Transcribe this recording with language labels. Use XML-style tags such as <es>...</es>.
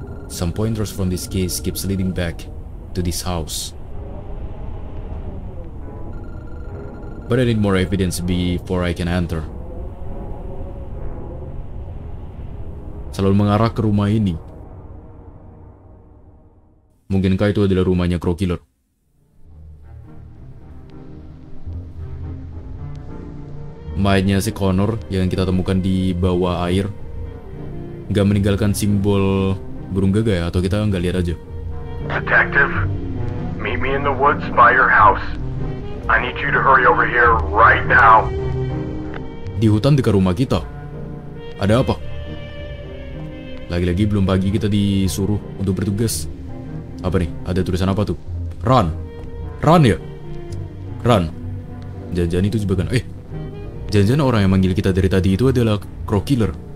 <en>Some pointers from this case keeps leading back to this house. But I need more evidence before I can enter.</en> <id>Selalu mengarah ke rumah ini. Mungkinkah itu adalah rumahnya Crow Killer? Mayatnya si Connor yang kita temukan di bawah air gak meninggalkan simbol burung gagak ya, atau kita gak lihat aja.</id> <en>Detective, meet me in the woods by your house. I need you to hurry over here right now.</en> <id>Di hutan dekat rumah kita? Ada apa? Lagi-lagi belum pagi kita disuruh untuk bertugas. Apa nih? Ada tulisan apa tuh? Run. Run ya? Run. Jangan-jangan itu jebakan. Jangan-jangan orang yang manggil kita dari tadi itu adalah Crow Killer.</id>